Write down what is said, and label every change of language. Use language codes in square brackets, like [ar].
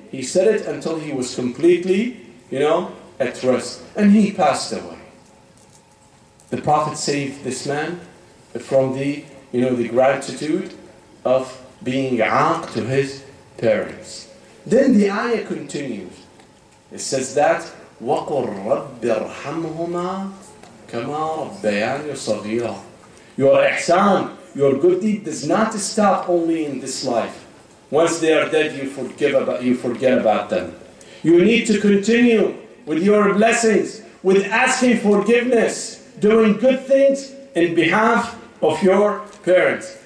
[en] He said it until he was completely, at rest. And he passed away. The Prophet saved this man from the gratitude of being aq to his parents. Then the ayah continues. It says that [ar] وَقُلْ رَبِّ ارْحَمْهُمَا كَمَا رَبَّيَانِ صَغِيرًا. [en] Your ihsan, your good deed does not stop only in this life. Once they are dead, you forget about them. You need to continue with your blessings, with asking forgiveness, doing good things in behalf of your parents.